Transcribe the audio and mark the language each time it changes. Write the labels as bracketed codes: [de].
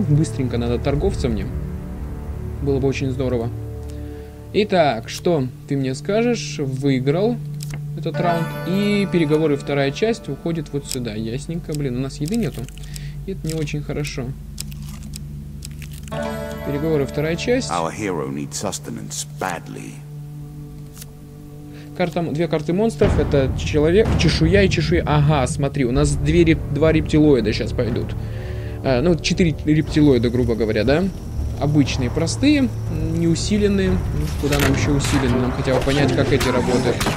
[ru] Быстренько надо торговца мне. Было бы очень здорово. Итак, что ты мне скажешь? Выиграл этот раунд. И переговоры, вторая часть, уходит вот сюда. Ясненько. Блин, у нас еды нету. И это не очень хорошо. Переговоры, вторая часть. [en] Our hero needs sustenance badly. [ru] Карта, две карты монстров. Это человек, чешуя и чешуя. Ага, смотри, у нас два рептилоида сейчас пойдут. Ну, четыре рептилоида, грубо говоря, да? Обычные, простые, не усиленные. Ну, куда нам еще усиленные? Нам хотя бы понять, как эти работают.